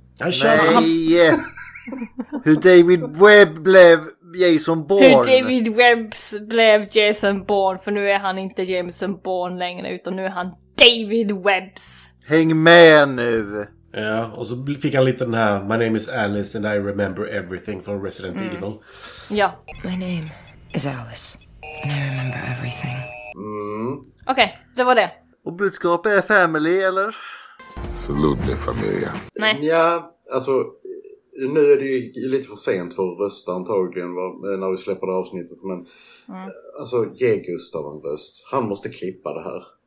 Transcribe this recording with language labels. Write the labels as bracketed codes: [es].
[sv] Nej! Hur David Webb blev Jason Bourne. Hur David Webb blev Jason Bourne. För nu är han inte Jason Bourne längre, utan nu är han David Webbs. Häng med nu. Ja, och så fick han lite den här [en] My name is Alice and I remember everything from Resident Evil. [sv] Ja. [en] My name is Alice and I remember everything. [sv] Okej, okay, det var det. Och budskapet är family, eller? Salut med familia. Nej. Ja, alltså... Nu är det ju lite för sent för att rösta antagligen när vi släpper det avsnittet, men alltså, ge Gustav en röst. Han måste klippa det här.